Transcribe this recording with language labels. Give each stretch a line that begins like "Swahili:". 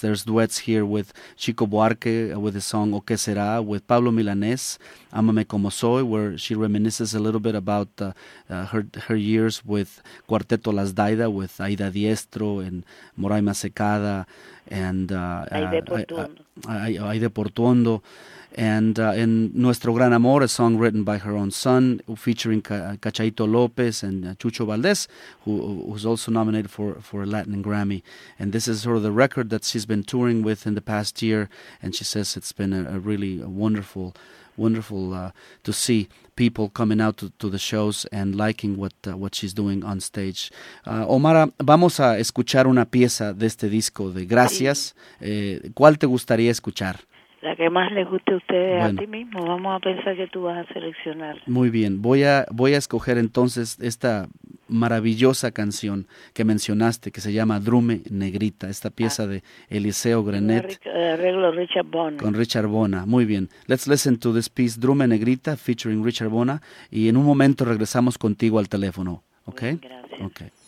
English: There's duets here with Chico Buarque, with the song O Que Será, with Pablo Milanés, Amame Como Soy, where she reminisces a little bit about her years with Cuarteto Las Daida, with Aida Diestro and Moraima Secada, and Aide Portuondo, and Nuestro Gran Amor, a song written by her own son, featuring Cachaito López and Chucho Valdés, who's also nominated for a Latin Grammy. And this is sort of the record that she's been touring with in the past year, and she says it's been a really wonderful, wonderful to see people coming out to the shows and liking what she's doing on stage.
Spanish: Omara, vamos a escuchar una pieza de este disco de Gracias. Sí. ¿Cuál te gustaría escuchar? La que más les guste a ustedes, bueno. A ti mismo. Vamos a pensar que tú vas a seleccionar. Muy bien. Voy a escoger entonces esta maravillosa canción que mencionaste, que se llama Drume Negrita, esta pieza de Eliseo Grenet. Arreglo Richard Bona. Con Richard Bona. Muy bien.
English: Let's listen to this piece, Drume Negrita, featuring Richard Bona.
Spanish: Y en un momento regresamos contigo al teléfono. ¿Ok? Bien, gracias. Ok.